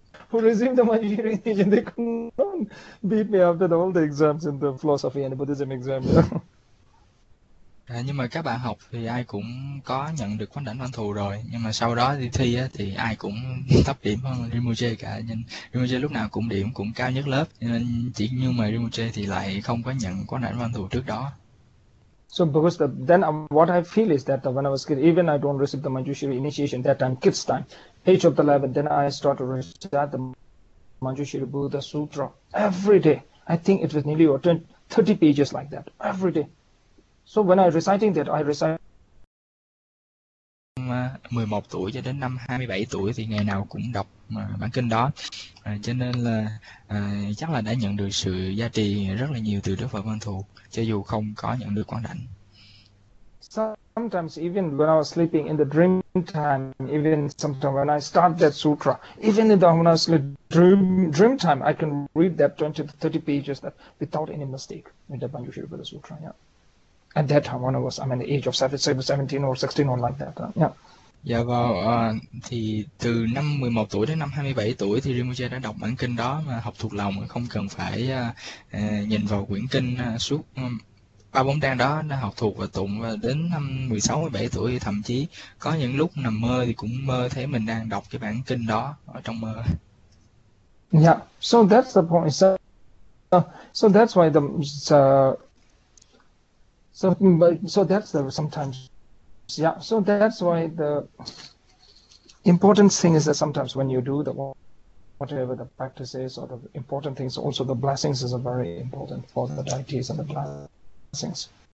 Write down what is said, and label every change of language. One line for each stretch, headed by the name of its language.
English: Who received Manjushri initiation, they couldn't beat me after all the exams in the philosophy and the Buddhism exam.
Vietnamese: Nhưng mà các bạn học thì ai cũng có nhận được quán đảnh văn thù rồi, nhưng mà sau đó đi thi á, thì ai cũng thấp điểm hơn Rinpoche cả. Nhưng Rinpoche lúc nào cũng điểm cũng cao nhất lớp, nên chỉ nhưng mà Rinpoche thì lại không có nhận quán đảnh văn thù trước đó.
English: So because the, then what I feel is that when I was kid, even I don't receive the Manjushri initiation that time, kids time, age of 11, then I start to recite the Manjushri Buddha Sutra every day. I think it was nearly 30 pages like that every day. So when I reciting that, I recite.
Vietnamese: 11 tuổi cho đến năm 27 tuổi thì ngày nào cũng đọc bản kinh đó, cho nên là chắc là đã nhận được sự gia trì rất là nhiều từ Đức Phật Quang Thù, cho dù không có nhận được quán đảnh.
English: Sometimes even when I was sleeping in the dream time, even sometimes when I start that sutra, even in the when I was sleep, dream time, I can read that 20 to 30 pages that without any mistake in the Manjushri Buddha Sutra. Yeah, at that time when I was, I mean, the age of 17 or 16 or like that. Yeah.
Vietnamese: Dạ thì từ năm 11 tuổi đến năm 27 tuổi thì Rinpoche đã đọc bản kinh đó mà học thuộc lòng, không cần phải nhìn vào quyển kinh suốt 3-4 trang đó, đã học thuộc và tụng. Và đến năm 16, 17 tuổi, thậm chí có những lúc nằm mơ thì cũng mơ thấy mình đang đọc cái bản kinh đó ở trong mơ.
English: Yeah, so that's the point. So that's why the so but so that's the sometimes, yeah. So that's why the important thing is that sometimes when you do the whatever the practice is or the important things, also the blessings is a very important for the deities and the blessings.